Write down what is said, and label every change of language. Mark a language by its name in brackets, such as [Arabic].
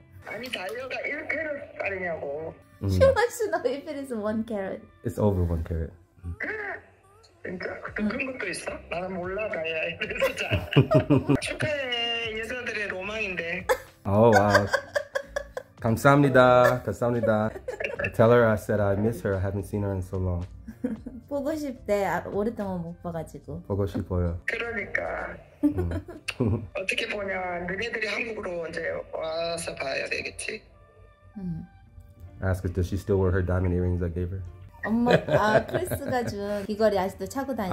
[Korean] 아니 다이어가 1캐럿 아니냐고. [English] She wants to know if it is 1 carat. It's over 1 carat. [Korean] 진짜? 그런 것도 있어? 나는 몰라 다이어. 축하해 여자들의 로망인데. [English] Oh wow. [Korean] 감사합니다. 감사합니다. [English] I tell her I said I miss her. I haven't seen her in so long. [Korean] 보고 싶대. 오랫동안 못 봐가지고. 보고 싶어요. 그러니까. 어떻게 보냐. 너네들이 한국으로 이제 와서 봐야 되겠지. [English] Ask her, does she still wear her diamond earrings I gave her? [Korean] 엄마, 아, 크리스가 준 귀걸이 아직도 차고 다녀.